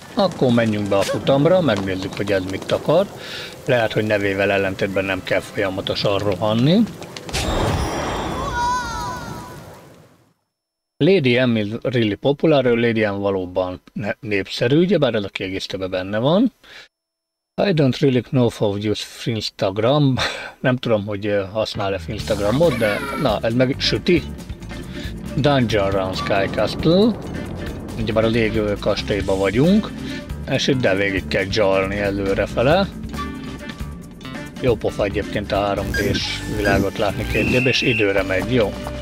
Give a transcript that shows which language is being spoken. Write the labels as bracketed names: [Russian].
[Hungarian] Akkor menjünk be a futamra, megnézzük, hogy ez mit akar. Lehet, hogy nevével ellentétben nem kell folyamatosan rohanni. [English] Lady M is really popular, [Hungarian] Lady M valóban népszerű, ugye, bár ez a kiegészítőben benne van. [English] I don't really know how to use Finstagram. [Hungarian] Nem tudom, hogy használ-e Finstagramot, de na, ez meg süti. Dungeon Run Sky Castle. Ugye már a légő kastélyban vagyunk. És itt de végig kell dzsalni előrefele. Jó pofa egyébként a 3D-s világot látni kétdébb, és időre megy. Jó.